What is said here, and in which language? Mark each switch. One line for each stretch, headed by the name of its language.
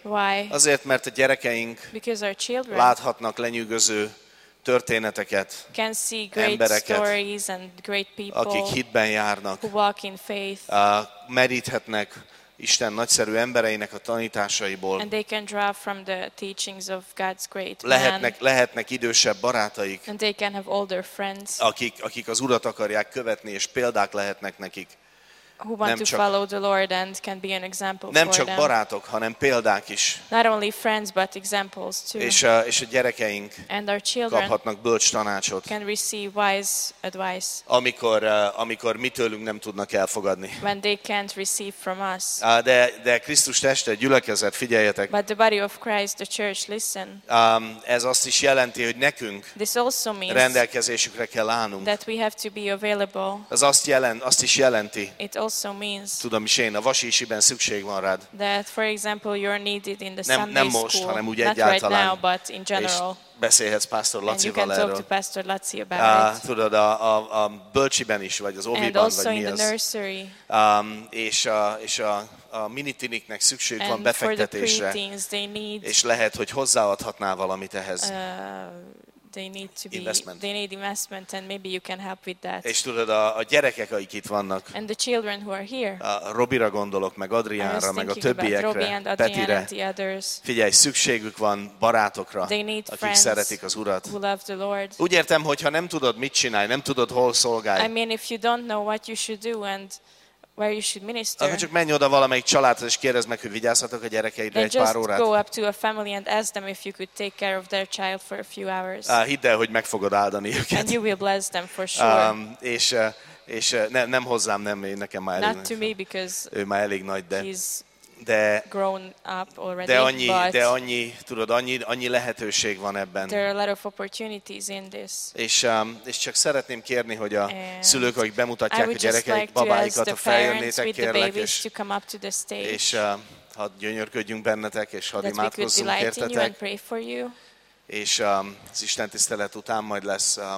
English: Why?
Hungarian: Azért, mert a gyerekeink
English: because our children
Hungarian: láthatnak lenyűgöző történeteket,
English: can see great
Hungarian: embereket,
English: stories and great people,
Hungarian: akik hitben járnak,
English: who walk in faith,
Hungarian: meríthetnek Isten nagyszerű embereinek a tanításaiból.
English: And they can draw from the teachings of God's great man.
Hungarian: Lehetnek idősebb barátaik.
English: And they can have older friends.
Hungarian: Akik az Urat akarják követni, és példák lehetnek nekik.
English: Who want to follow the Lord and can be an example for them.
Hungarian: Nem csak barátok, hanem példák is.
English: Not only friends, but examples too.
Hungarian: És a gyerekeink
English: and our children
Hungarian: kaphatnak bölcs tanácsot.
English: Can receive wise advice.
Hungarian: Amikor mi tőlünk nem tudnak elfogadni.
English: When they can't receive from us.
Hungarian: De Krisztus teste, gyülekezet, figyeljetek.
English: But the body of Christ, the church, listen.
Hungarian: Ez azt is jelenti, hogy nekünk
English: this also means
Hungarian: rendelkezésükre kell állnunk.
English: That we have to be available.
Hungarian: Ez azt is jelenti.
English: It also also means.
Hungarian: Tudom is én, a vasisiben szükség van rád.
English: That for example you're needed in the
Hungarian: nem,
English: Sunday
Hungarian: nem most,
English: school.
Hungarian: Hanem úgy egyáltalán.
English: Not right now, but in general.
Hungarian: Beszélhetsz Pastor Lacival erről.
English: And you can talk to Pastor Laci about it.
Hungarian: Tudod, a bölcsiben is, vagy az óviban, vagy mi az.
English: And also in the nursery.
Hungarian: És a minitiniknek szükség van befektetésre.
English: And for the preteens, they need.
Hungarian: És lehet, hogy hozzáadhatnál valamit ehhez.
English: They need investment and maybe you can help with that.
Hungarian: És tudod, a gyerekek, akik itt vannak.
English: And the children who are here.
Hungarian: A Robira gondolok, meg Adriánra, meg a többiekre, Petire. Figyelj, szükségük van barátokra, akik szeretik az Urat.
English: Who love the Lord.
Hungarian: Úgy értem, hogyha nem tudod mit csinálj, nem tudod hol szolgálj.
English: I mean if you don't know what you should do and where you should minister.
Hungarian: Akkor csak menj oda valamelyik családhoz és kérdezd meg, hogy vigyázhatok a gyerekeidre egy pár órát.
English: Just go up to a family and ask them if you could take care of their child for a few hours.
Hungarian: Hidd el, hogy meg fogod áldani őket.
English: And you will bless them for sure.
Hungarian: Nem hozzám, nem nekem már elég.
English: Not to me because
Hungarian: ő már elég nagy, de.
English: He's grown up already.
Hungarian: De annyi lehetőség van ebben.
English: There are a lot of opportunities in this.
Hungarian: És csak szeretném kérni, hogy a szülők, akik bemutatják a gyerekeik, babáikat, ha feljönnétek, kérlek, és ha gyönyörködjünk bennetek, és ha imádkozzunk értetek. És az Isten tisztelet után majd lesz